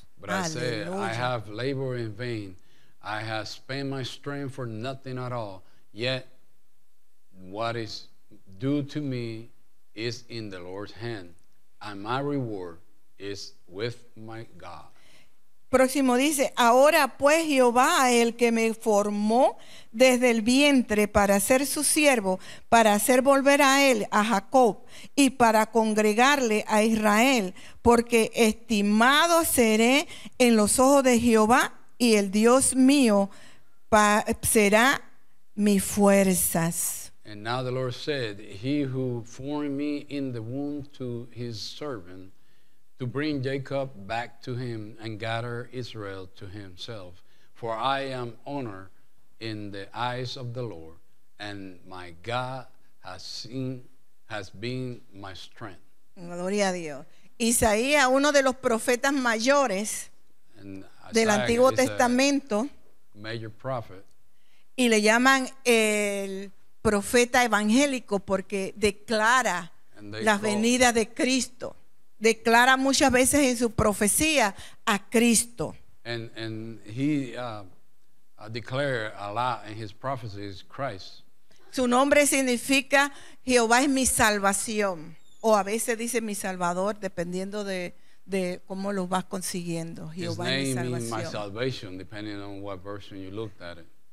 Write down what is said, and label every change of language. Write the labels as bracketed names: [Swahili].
[English] But I said, I have labored in vain, I have spent my strength for nothing at all, yet what is due to me is in the Lord's hand, and my reward is with my God. [Spanish] Próximo dice, ahora pues Jehová, el que me formó desde el vientre para ser su siervo, para hacer volver a él, a Jacob, y para congregarle a Israel, porque estimado seré en los ojos de Jehová, y el Dios mío será mi fuerzas. [English] And now the Lord said, he who formed me in the womb to his servant, to bring Jacob back to him and gather Israel to himself. For I am honored in the eyes of the Lord, and my God has been my strength. [Spanish] Gloria a Dios. Isaías, uno de los profetas mayores del Antiguo Testamento, [English] major prophet, [Spanish] y le llaman el profeta evangélico porque declara la venida de Cristo. Declara muchas veces en su profecía a Cristo. [English] And he declared a lot in his prophecies Christ. [Spanish] Su nombre significa Jehová es mi salvación. O a veces dice mi salvador, dependiendo de cómo lo vas consiguiendo. Jehová [English] his name [Spanish] es mi salvación. [English] Means my salvation, depending on what version you looked at it.